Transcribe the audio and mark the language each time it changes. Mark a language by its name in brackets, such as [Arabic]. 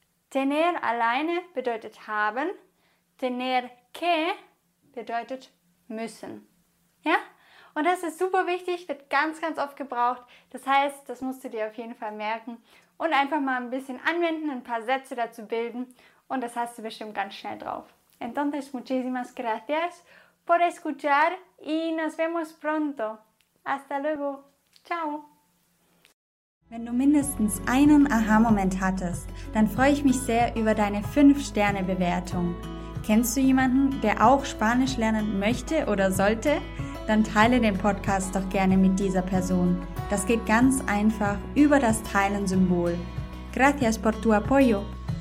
[German] Tener alleine bedeutet haben, tener que bedeutet müssen. Ja? Und das ist super wichtig, wird ganz, ganz oft gebraucht. Das heißt, das musst du dir auf jeden Fall merken und einfach mal ein bisschen anwenden, ein paar Sätze dazu bilden und das hast du bestimmt ganz schnell drauf. [Spanish] Entonces, muchísimas gracias por escuchar y nos vemos pronto. Hasta luego. Ciao. [German] Wenn du mindestens einen Aha-Moment hattest, dann freue ich mich sehr über deine 5-Sterne-Bewertung. Kennst du jemanden, der auch Spanisch lernen möchte oder sollte? dann teile den Podcast doch gerne mit dieser Person. Das geht ganz einfach über das Teilen-Symbol. [Spanish] Gracias por tu apoyo.